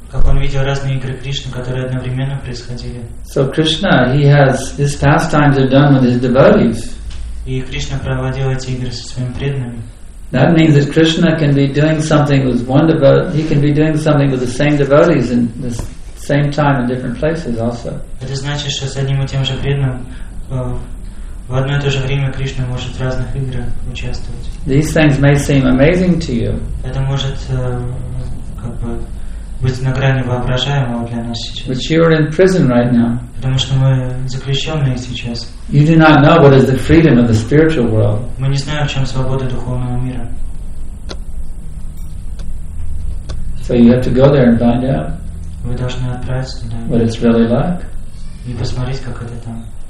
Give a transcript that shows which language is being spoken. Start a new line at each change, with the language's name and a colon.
English: So Krishna, he has his pastimes are done with his devotees. That means that Krishna can be doing something with one devotee, he can be doing something with the same devotees in the same time in different places also.
Russian: В одно и то же время Кришна может в разных играх участвовать.
English: These things may seem amazing to you.
Russian: Это может как бы быть на грани воображаемого для нас сейчас.
English: But you are in prison right now.
Russian: Потому что мы заключенные сейчас.
English: You do not know what is the freedom of the spiritual world.
Russian: Мы не знаем, в чем свобода духовного мира.
English: So you have to go there and find out.
Russian: Вы должны отправиться туда.
English: What it's really like.
Russian: И посмотреть, как это там.